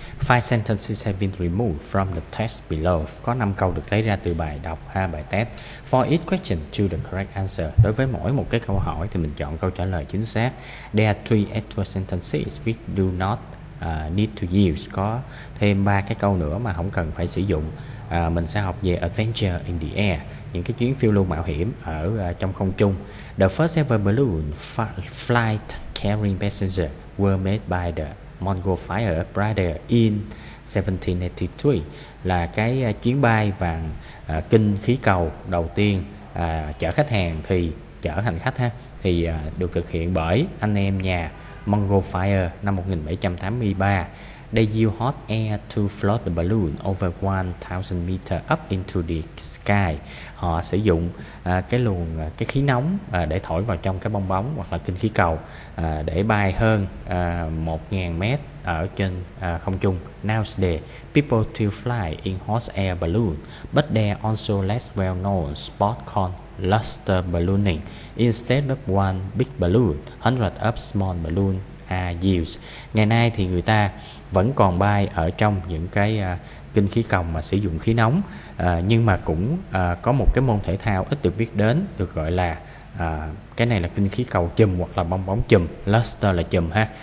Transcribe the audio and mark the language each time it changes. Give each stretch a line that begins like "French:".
English: Five sentences have been removed from the test below.
Vietnamese: Có 5 câu được lấy ra từ bài đọc, ha, bài test.
English: For each question, choose the correct answer.
Vietnamese: Đối với mỗi một cái câu hỏi thì mình chọn câu trả lời chính xác.
English: There are three extra sentences we do not need to use.
Vietnamese: Có thêm 3 cái câu nữa mà không cần phải sử dụng. Mình sẽ học về
English: adventure in the air,
Vietnamese: những cái chuyến phiêu lưu mạo hiểm ở trong không trung.
English: The first ever balloon flight carrying passengers were made by the Mongol Fire Brigade in 1783,
Vietnamese: là cái chuyến bay vàng kinh khí cầu đầu tiên chở khách hàng thì chở hành khách ha, thì được thực hiện bởi anh em nhà Mongol Fire năm 1783.
English: They used hot air to float the balloon over 1,000 meters up into the sky.
Vietnamese: Họ sử dụng cái luồng cái khí nóng để thổi vào trong cái bong bóng hoặc là kinh khí cầu để bay hơn 1,000 mét ở trên không trung.
English: Nowadays, people still fly in hot air balloon, but there also less well-known sport called luster ballooning. Instead of one big balloon, hundreds of small balloons are used.
Vietnamese: Ngày nay thì người ta vẫn còn bay ở trong những cái kinh khí cầu mà sử dụng khí nóng, nhưng mà cũng có một cái môn thể thao ít được biết đến, được gọi là cái này là kinh khí cầu chùm hoặc là bong bóng chùm, luster là chùm ha.